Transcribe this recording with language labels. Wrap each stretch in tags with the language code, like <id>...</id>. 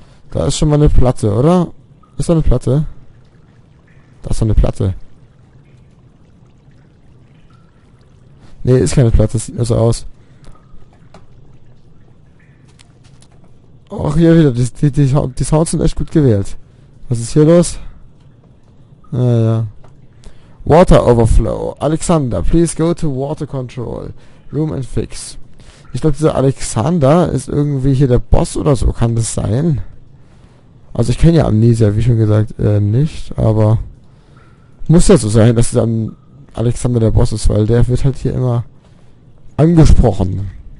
<de>Da ist schon mal eine Platte, oder? Ist da eine Platte? Da ist doch eine Platte. Nee, ist keine Platte, sieht nur so aus. Auch hier wieder, die Sounds sind echt gut gewählt. Was ist hier los? Naja. Water Overflow.</de> <en>Alexander, please go to Water Control. Room and fix.</en> <de>Ich glaube, dieser Alexander ist irgendwie hier der Boss oder so, kann das sein? Also ich kenne ja Amnesia, wie schon gesagt, nicht, aber muss ja so sein, dass dieser Alexander der Boss ist, weil der wird halt hier immer angesprochen.</de>